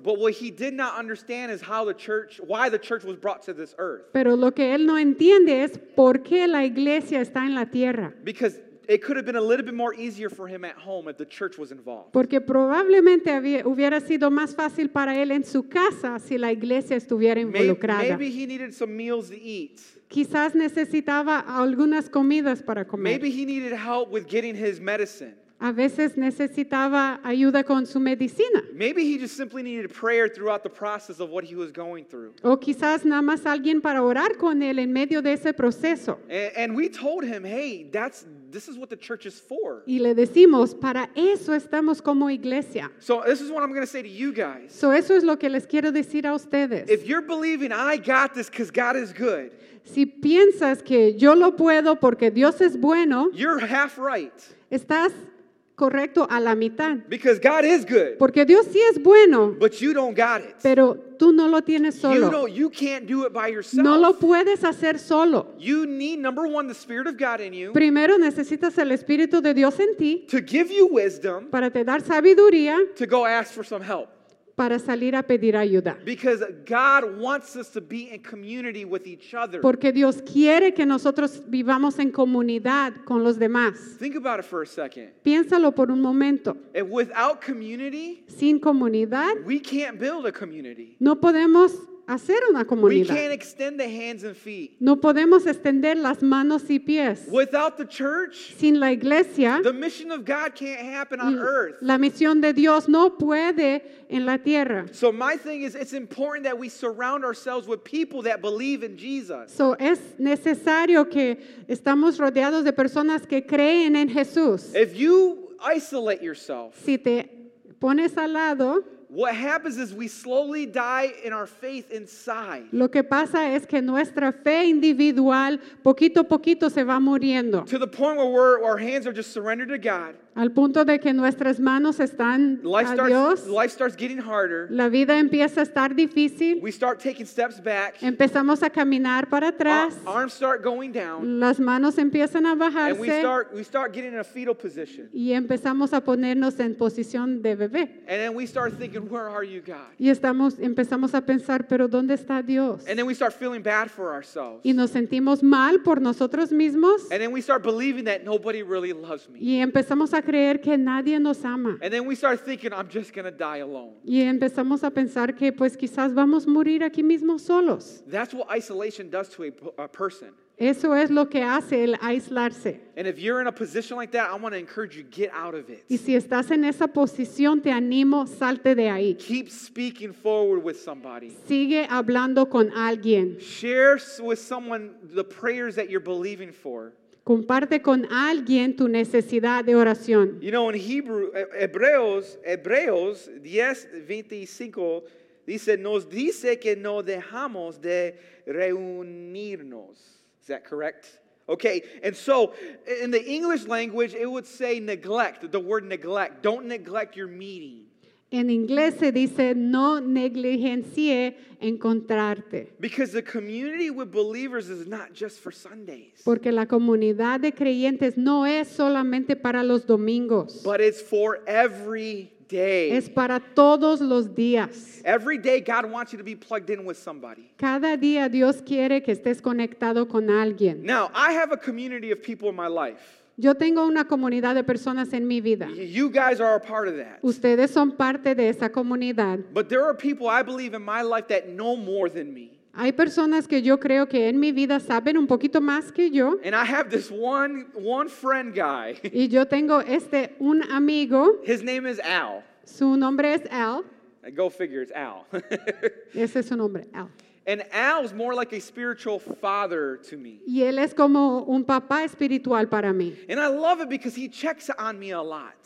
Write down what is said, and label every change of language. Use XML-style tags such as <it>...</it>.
<en>But what he did not understand is how the church, why the church was brought to this earth.</en> <es>Pero lo que él no entiende es por qué la iglesia está en la tierra.</es> <en>Because it could have been a little bit more easier for him at home if the church was involved.</en> <es>Porque probablemente hubiera sido más fácil para él en su casa si la iglesia estuviera involucrada.</es> <en>Maybe he needed some meals to eat.</en> <es>Quizás necesitaba algunas comidas para comer.</es> <en>Maybe he needed help with getting his medicine.</en> <es>A veces necesitaba ayuda con su medicina.</es> <en>Maybe he just simply needed prayer throughout the process of what he was going through.</en> <es>O quizás nada más alguien para orar con él en medio de ese proceso.</es> <en>And we told him, hey, this is what the church is for.</en> <es>Y le decimos, para eso estamos como iglesia.</es> <en>So this is what I'm going to say to you guys.</en> <es>So eso es lo que les quiero decir a ustedes.</es> <en>If you're believing, I got this because God is good.</en> <es>Si piensas que yo lo puedo porque Dios es bueno.</es> <en>You're half right.</en> <es>Estás correcto a la mitad.</es> <en>Because God is good.</en> <es>Porque Dios sí es bueno.</es> <en>But you don't got it.</en> <es>Pero tú no lo tienes solo.</es> <en>You can't do it by yourself.</en> <es>No lo puedes hacer solo.</es> <en>You need, number one, the Spirit of God in you.</en> <es>Primero necesitas el Espíritu de Dios en ti.</es> <en>To give you wisdom.</en> <es>Para te dar sabiduría.</es> <en>To go ask for some help.</en> <es>Para salir a pedir ayuda.</es> <en>Because God wants us to be in community with each other.</en> <es>Porque Dios quiere que nosotros vivamos en comunidad con los demás.</es> <en>Think about it for a second.</en> <es>Piénsalo por un momento.</es> <en>And without community,</en> <es>sin comunidad,</es> <en>we can't build a community.</en> <es>No podemos hacer una comunidad.</es> <en>We can't extend the hands and feet.</en> <es>No podemos extender las manos y pies.</es> <en>Without the church,</en> <es>sin la iglesia,</es> <en>the mission of God can't happen on earth.</en> <es>La misión de Dios no puede en la tierra.</es> <en>So my thing is, it's important that we surround ourselves with people that believe in Jesus.</en> <es>So es necesario que estamos rodeados de personas que creen en Jesús.</es> <en>If you isolate yourself,</en> <es>si te pones al lado,</es> <en>what happens is we slowly die in our faith inside.</en> <es>Lo que pasa es que nuestra fe individual poquito a poquito se va muriendo.</es> <en>To the point where our hands are just surrendered to God.</en> <es>Al punto de que nuestras manos están a Dios.</es> <en>Life starts getting harder.</en> <es>La vida empieza a estar difícil.</es> <en>We start taking steps back.</en> <es>Empezamos a caminar para atrás.</es> <en>Arms start going down.</en> <es>Las manos empiezan a bajarse.</es> <en>And we start getting in a fetal position.</en> <es>Y empezamos a ponernos en posición de bebé.</es> <en>And then we start thinking, where are you, God?</en> <es>Y empezamos a pensar, pero ¿dónde está Dios?</es> <en>And then we start feeling bad for ourselves.</en> <es>Y nos sentimos mal por nosotros mismos.</es> <en>And then we start believing that nobody really loves me.</en> <es>Y empezamos a creer que nadie nos ama.</es> <en>And then we start thinking, I'm just gonna die alone.</en> <es>Y empezamos a pensar que pues quizás vamos a morir aquí mismo solos.</es> <en>That's what isolation does to a person.</en> <es>Eso es lo que hace el aislarse.</es> <en>And if you're in a position like that, I want to encourage you, get out of it.</en> <es>Y si estás en esa posición, te animo, salte de ahí.</es> <en>Keep speaking forward with somebody.</en> <es>Sigue hablando con alguien.</es> <en>Share with someone the prayers that you're believing for.</en> <es>Comparte con alguien tu necesidad de oración.</es> <en>You know, in</en> <es>Hebreos 10:25 dice, nos dice que no dejamos de reunirnos.</es> <en>Is that correct? Okay, and so in the English language, it would say neglect, the word neglect. Don't neglect your meeting.</en> <es>En inglés se dice, no negligencie encontrarte.</es> <en>Because the community with believers is not just for Sundays.</en> <es>Porque la comunidad de creyentes no es solamente para los domingos.</es> <en>But it's for every day.</en> <es>Es para todos los días.</es> <en>Every day God wants you to be plugged in with somebody.</en> <es>Cada día Dios quiere que estés conectado con alguien.</es> <en>Now, I have a community of people in my life.</en> <es>Yo tengo una comunidad de personas en mi vida.</es> <en>You guys are a part of that.</en> <es>Ustedes son parte de esa comunidad.</es> <en>But there are people I believe in my life that know more than me.</en> <es>Hay personas que yo creo que en mi vida saben un poquito más que yo.</es> <en>And I have this one friend guy.</en> <es>Y yo tengo este un amigo.</es> <en>His name is Al.</en> <es>Su nombre es Al.</es> <en>Go figure, it's Al.</en> <es>Ese es su nombre, Al.</es> <en>And Al is more like a spiritual father to me.</en> <es>Y él es como un papá espiritual para mí.</es> <en>And I love it because he checks on me a lot.</en>